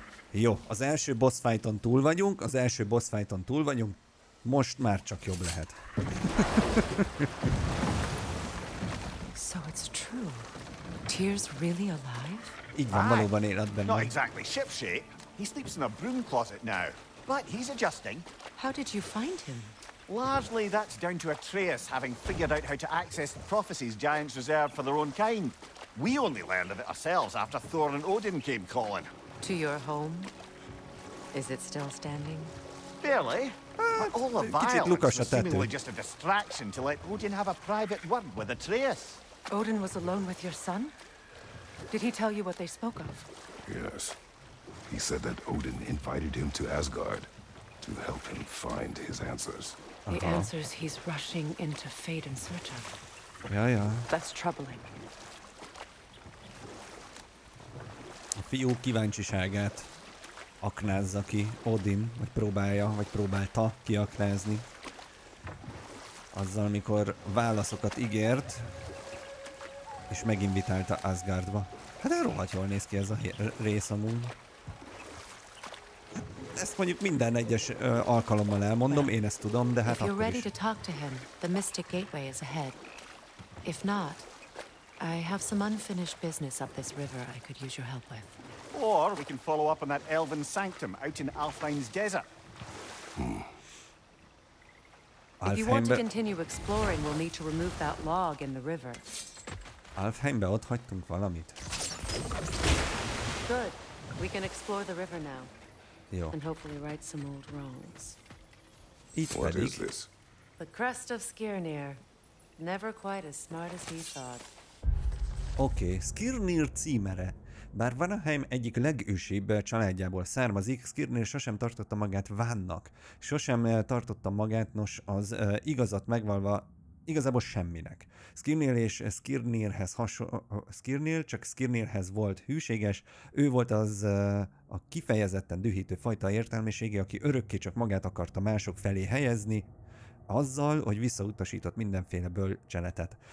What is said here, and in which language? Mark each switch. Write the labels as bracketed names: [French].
[Hungarian] Jó, az első boss fighton túl vagyunk, az első boss fighton túl vagyunk, most már csak jobb lehet. [English] So it's true. Tears really alive? [Hungarian] Így van, valóban élet benne. [English] Not exactly shipshape. He sleeps in a broom closet now. But he's adjusting. How did you find him? Largely, that's down to Atreus having figured out how to access the prophecies giants reserved for their own kind. We only learned of it ourselves after Thor and Odin came calling. To your home? Is it still standing? Barely. But all the violence was seemingly just a distraction to let Odin have a private word with Atreus. Odin was alone with your son? Did he tell you what they spoke of? Yes. He said that Odin invited him to Asgard. To help him find his answers. The answers he's rushing into fate in search of. Yeah, yeah. That's troubling. [Hungarian] A fiú kíváncsiságát aknázza ki Odin, vagy próbálja, vagy próbálta kiaknázni. Azzal, amikor válaszokat ígért, és meginvitálta Asgardba. Hát de rohadt jól néz ki ez a rész amúgy. Ezt mondjuk minden egyes alkalommal elmondom, én ezt tudom, de hát akkor is. [English] Him, the Mystic Gateway is ahead. If not, I have some unfinished business up this river I could use your help with. Or we can follow up on that Elven Sanctum out in Alfheim's desert. If you want to continue exploring, we'll need to remove that log in the river. [Hungarian] Alfheimbe ott hagytunk valamit. [English] Good. We can explore the river now. [Hungarian] Jó. [English] And hopefully right some old wrongs. [Hungarian] Itt [English] what [Hungarian] pedig. [English] Is this? The crest of Skirnir. Never quite as smart as he thought. [Hungarian] Okay, Skirnir címere. Bár Vanaheim egyik legősibb családjából származik, Skirnir sosem tartotta magát Vannak. Sosem tartotta magát, nos, az igazat megvalva igazából semminek. Skirnir és Skirnirhez Skirnir csak Skirnirhez volt hűséges, ő volt az a kifejezetten dühítő fajta értelmiségi, aki örökké csak magát akarta mások felé helyezni, azzal, hogy visszautasított mindenféle bölcseletet.